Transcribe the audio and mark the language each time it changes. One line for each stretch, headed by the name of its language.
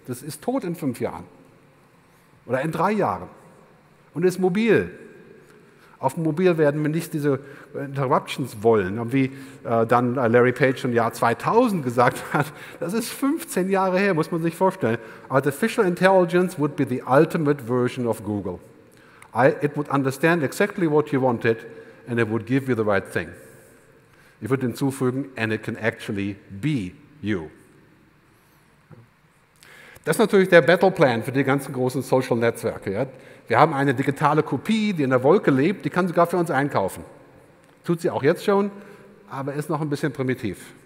German: Das ist tot in 5 Jahren oder in 3 Jahren und ist mobil. Auf dem Mobil werden wir nicht diese Interruptions wollen, wie dann Larry Page im Jahr 2000 gesagt hat. Das ist 15 Jahre her, muss man sich vorstellen.
English: Artificial Intelligence would be the ultimate version of Google. It would understand exactly what you wanted and it would give you the right thing.
German: Ich würde hinzufügen,
English: and it can actually be you.
German: Das ist natürlich der Battleplan für die ganzen großen Social Netzwerke. Ja? Wir haben eine digitale Kopie, die in der Wolke lebt, die kann sogar für uns einkaufen. Tut sie auch jetzt schon, aber ist noch ein bisschen primitiv.